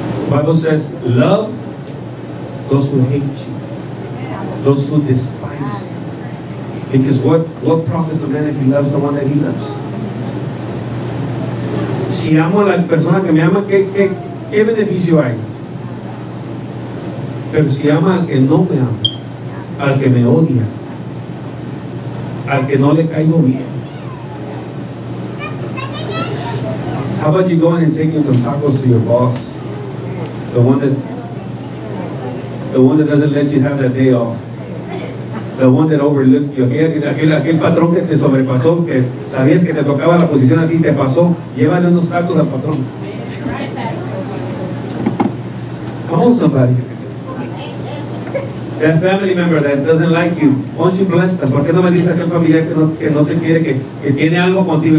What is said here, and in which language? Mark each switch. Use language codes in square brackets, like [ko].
[en] Bible says, love those who hate you, those who despise you. Because what profits a man if he loves the one that he loves? [es] Si amo a la persona que me ama, ¿qué beneficio hay? Pero si ama al que no me ama, al que me odia, al que no le caigo bien. [en] How about you going and taking some tacos to your boss? The one that doesn't let you have that day off. The one that overlooked you. [es] Aquel patrón que te sobrepasó, que sabías que te tocaba la posición a ti, te pasó. Llévale unos tacos al patrón. [en] Come on, somebody. That family member that doesn't like you, why don't you bless them? [es] ¿Por qué no me dice aquel familiar que no te quiere, que tiene algo contigo?